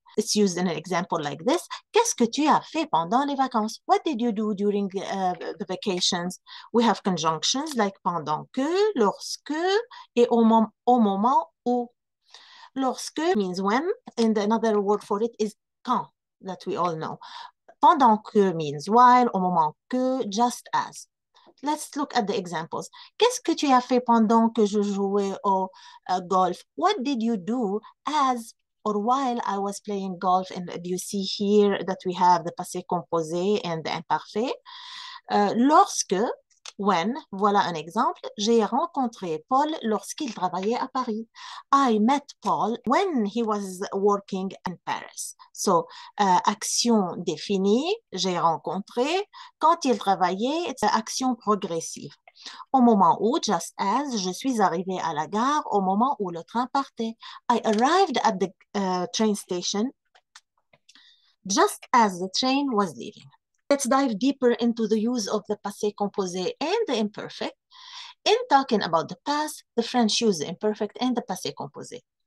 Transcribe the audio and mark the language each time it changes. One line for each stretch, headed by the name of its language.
English: It's used in an example like this.
French: Qu'est-ce que tu as fait pendant les vacances?
English: What did you do during the vacations? We have conjunctions like
French: pendant que, lorsque, et au moment où.
English: Lorsque means when, and another word for it is quand, that we all know.
French: Pendant que
English: means while,
French: au moment que,
English: just as. Let's look at the examples.
French: Qu'est-ce que tu as fait pendant que je jouais au golf?
English: What did you do as or while I was playing golf? And you see here that we have the passé composé and the imparfait. Lorsque, When,
French: voilà un exemple, j'ai rencontré Paul lorsqu'il travaillait à Paris.
English: I met Paul when he was working in Paris.
French: So, action définie, j'ai rencontré quand il travaillait, action progressive. Au moment où,
English: just as,
French: je suis arrivée à la gare au moment où le train partait.
English: I arrived at the train station just as the train was leaving. Let's dive deeper into the use of the passé composé and the imperfect. In talking about the past, the French use the imperfect and the passé composé.